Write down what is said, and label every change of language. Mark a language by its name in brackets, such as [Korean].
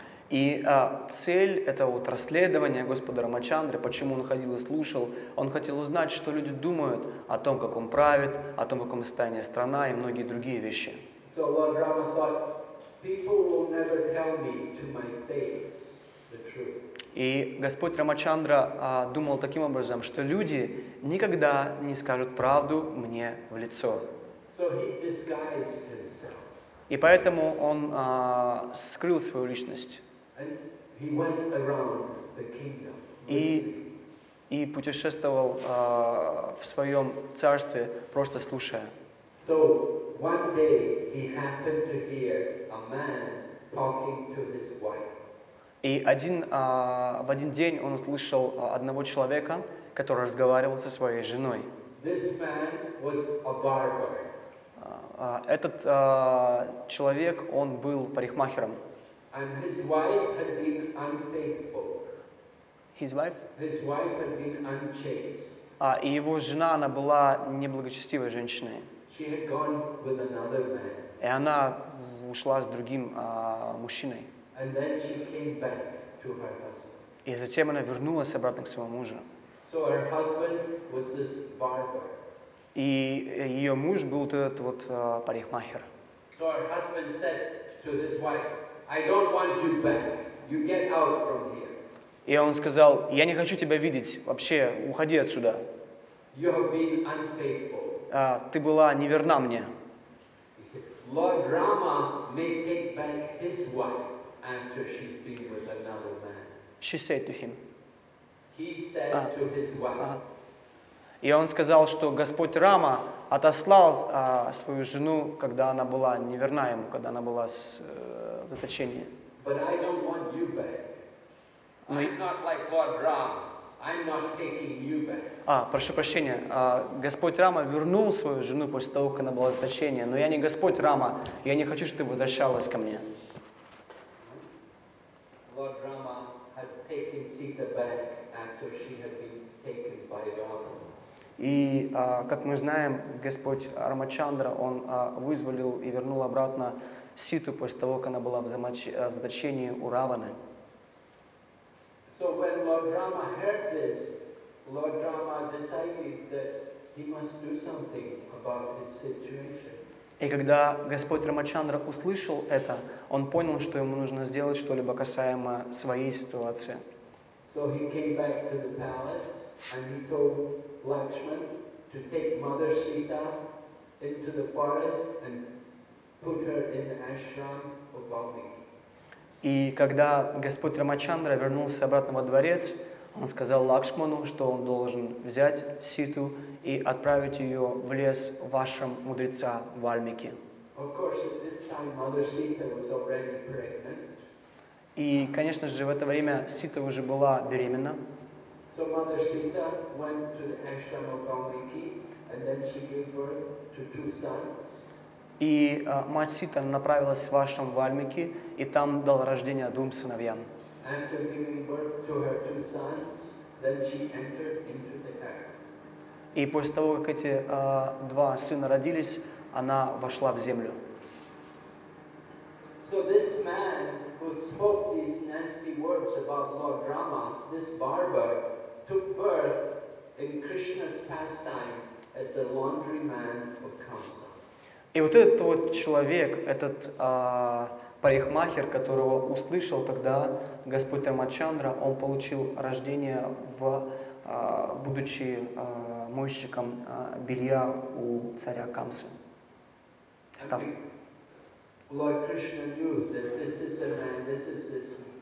[Russian] И цель этого вот расследования Господа Рамачандры, почему он ходил и слушал, он хотел узнать, что люди думают о том, как он правит, о том, в каком состоянии страна и многие другие вещи. [English] So Lord Rama thought, people will never tell me to my face the truth. [Russian] И Господь Рамачандра думал таким образом, что люди никогда не скажут правду мне в лицо. [English] So he disguised himself. [Russian] И поэтому он скрыл свою личность. [English] And he went around the kingdom. [Russian] И путешествовал в своем царстве, просто слушая. [English] So one day he happened to hear a man talking to his wife. [Russian] И в один день он услышал одного человека, который разговаривал со своей женой. [English] This man was a barber. [Russian] Этот человек, он был парикмахером. [English] And his wife had been unfaithful. His wife? His wife had been unchaste. [Russian] И его жена, она была неблагочестивой женщиной. [English] She had gone with another man. [Russian] И она ушла с другим мужчиной. [English] And then she came back to her husband. [Russian] И затем она вернулась обратно к своему мужу. [English] So her husband was this barber. [Russian] И ее муж был вот этот вот парикмахер. [English] So her husband said to his wife, I don't want you back. You get out from here. [Russian] И он сказал, я не хочу тебя видеть. Вообще, уходи отсюда. [English] You have been unfaithful. [Russian] Ты была неверна мне. [English] He said, Lord Rama may take back his wife after she's been with another man. She said to him. He said to his wife. [Russian] И он сказал, что Господь Рама отослал свою жену, когда она была неверна ему, когда она была с заточения. [English] But I don't want you back. I'm not like Lord Rama. I'm not taking you back. [Russian] Прошу прощения. Господь Рама вернул свою жену после того, как она была заточения. Но я не Господь Рама. Я не хочу, чтобы ты возвращалась ко мне. [English] Lord Rama had taken Sita back after she had been taken by Rama. [Russian] И, как мы знаем, Господь Рамачандра, он вызволил и вернул обратно Ситу после того, как она была в заточении у Раваны. [English] So when Lord Rama heard this, Lord Rama decided that he must do something about his situation. [Russian] И когда Господь Рамачандра услышал это, он понял, что ему нужно сделать что-либо касаемо своей ситуации. [English] So he came back to the palace and he told Lakshman to take Mother Sita into the forest and put her in the ashram of Valmiki. [Russian] И когда Господь Рамачандра вернулся обратно во дворец, он сказал Лакшману, что он должен взять Ситу и отправить ее в лес вашим мудреца Вальмики. [English] Of course, at this time Mother Sita was already pregnant. [Russian] И, конечно же, в это время Сита уже была беременна. [English] So Mother Sita went to the ashram of Valmiki, and then she gave birth to two sons. [Russian] И мать Сита направилась в ашрам Вальмики, и там дала рождение двум сыновьям. [English] After giving birth to her two sons, then she entered into the harem. [Russian] И после того, как эти два сына родились, она вошла в землю. [English] So this man who spoke these nasty words about Lord Rama, this barber, took birth in Krishna's pastime as a laundry man of Kamsa. [Russian] И вот этот вот человек, этот парикмахер, которого услышал тогда Господь Рамачандра, он получил рождение в будучи мойщиком белья у царя Камсы. [English] Lord Krishna knew that this is a man, this is his